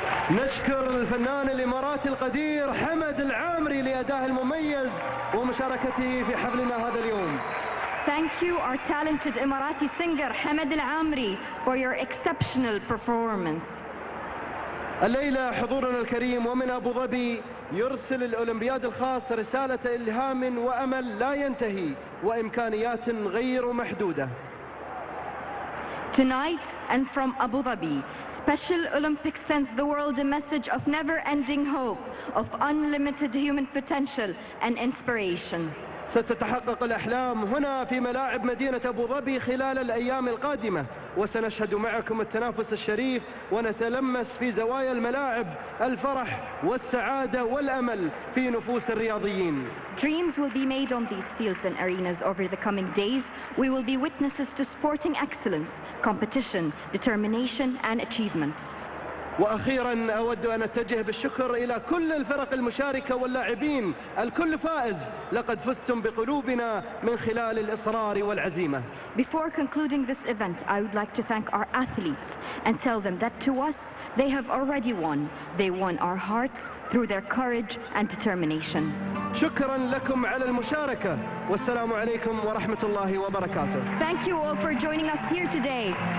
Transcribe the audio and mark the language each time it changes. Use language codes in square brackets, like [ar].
[ar] نشكر الفنان الإماراتي القدير حمد العامري لأداه المميز ومشاركته في حفلنا هذا اليوم. [en] Thank you, our talented Emirati singer Hamed Al-Amri, for your exceptional performance. [ar] الليلة حضورنا الكريم ومن أبو ظبي يرسل الأولمبياد الخاص رسالة إلهام وأمل لا ينتهي وإمكانيات غير محدودة. [en] Tonight and from Abu Dhabi, Special Olympics sends the world a message of never-ending hope, of unlimited human potential and inspiration. [ar] ستتحقق الأحلام هنا في ملاعب مدينة أبو ظبي خلال الأيام القادمة وسنشهد معكم التنافس الشريف ونتلمس في زوايا الملاعب الفرح والسعادة والأمل في نفوس الرياضيين. [en] Dreams will be made on these fields and arenas over the coming days. We will be witnesses to sporting excellence, competition, determination and achievement. [ar] وأخيرا أود أن أتجه بالشكر إلى كل الفرق المشاركة واللاعبين الكل فائز لقد فزتم بقلوبنا من خلال الإصرار والعزيمة. [en] Before concluding this event, I would like to thank our athletes and tell them that to us they have already won. They won our hearts through their courage and determination. [ar] شكرا لكم على المشاركة والسلام عليكم ورحمة الله وبركاته. [en] Thank you all for joining us here today.